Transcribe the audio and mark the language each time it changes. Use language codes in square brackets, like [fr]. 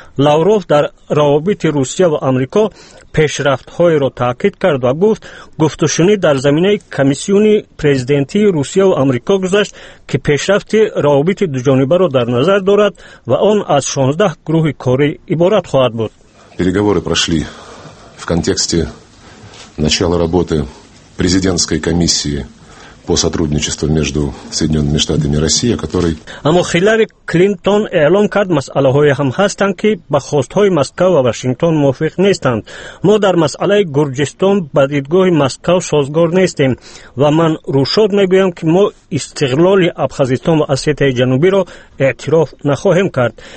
[fa] لاوروف در روابط روسیه و آمریکا پیشرفت‌های را تاکید کرد و گفت گفت‌وشنید در زمینه کمیسیون پرزیدنتی روسیه و آمریکا گذشت که پیشرفت روابط دوجانبه را در نظر دارد و آن از 16 گروه کاری عبارت خواهد بود. [ru] переговоры прошли в контексте начало работы президентской комиссии по сотрудничеству между Соединенными Штатами и Россией, который [tg] Амо Хиллари Клинтон эълон кард масъалаҳои ҳам ҳастанд ки ба хостҳои Москва ва Вашингтон мувофиқ нестанд. Мо дар масъалаи Гурҷистон ба дидгоҳи Москва созгор нестем ва ман рушод мегӯям ки мо истиқлоли Абхазистон ва Осетияи Ҷанубиро эътироф нахоҳем кард.